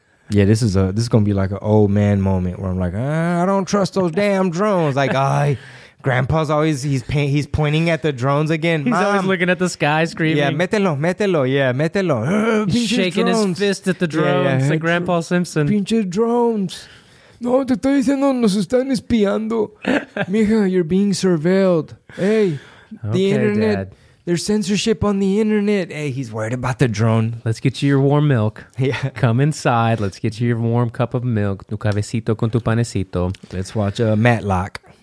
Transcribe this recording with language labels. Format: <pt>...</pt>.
<en>Yeah, this is gonna be like an old man moment where I'm like, I don't trust those damn drones. Like, Grandpa's always, he's pointing at the drones again. He's always looking at the sky, screaming.</en> <es>Yeah, mételo. Yeah, mételo.</es> <en>He's shaking his fist at the drones. Yeah, yeah. Like Grandpa Simpson.</en> <es>Pinche drones. No, te estoy diciendo, nos están espiando.</es> <en>Mija, you're being surveilled. Hey, the internet. Dad. There's censorship on the internet. Hey, he's worried about the drone. Let's get you your warm milk. Yeah. Come inside. Let's get you your warm cup of milk.</en> <es>Tu cafecito con tu panecito.</es> <en>Let's watch Matlock.</en>